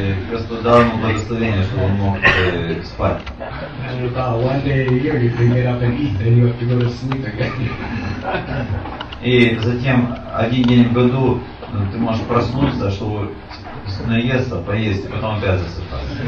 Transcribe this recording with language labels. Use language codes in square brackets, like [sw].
[ru] Господь дал ему благословение, чтобы он мог спать. [en] And about one day a year you can get up and eat, then you have to go to sleep again. [ru] И затем один день в году ты можешь проснуться, чтобы наесться, поесть, и потом опять засыпать.